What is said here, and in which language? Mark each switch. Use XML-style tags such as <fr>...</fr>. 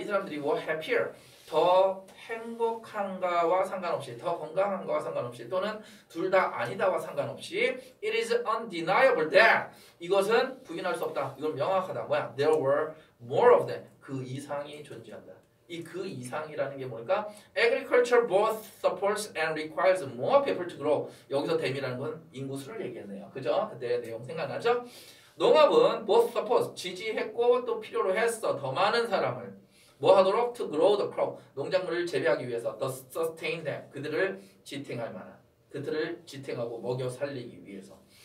<ko>이 사람들이</ko> <en>were happier.</en> <ko>더 행복한가와 상관없이, 더 건강한가와 상관없이, 또는 둘 다 아니다와 상관없이</ko> <en>it is undeniable that</en> <ko>이것은 부인할 수 없다. 이건 명확하다. 뭐야?</ko> <en>There were more of them.</en> <ko>그 이상이 존재한다. 이 그 이상이라는 게 뭘까?</ko> <en>Agriculture both supports and requires more people to grow.</en> <ko>여기서 them이라는 건 인구수를 얘기했네요. 그죠? 그때 내용 생각나죠? 농업은</ko> <en>both supports,</en> <ko>지지했고 또 필요로 했어. 더 많은 사람을. 뭐 하도록?</ko> <en>To grow the crop.</en> <ko>농작물을 재배하기 위해서.</ko> <en>The sustain them.</en> <ko>그들을 지탱할 만한. 그들을 지탱하고 먹여 살리기 위해서.</ko>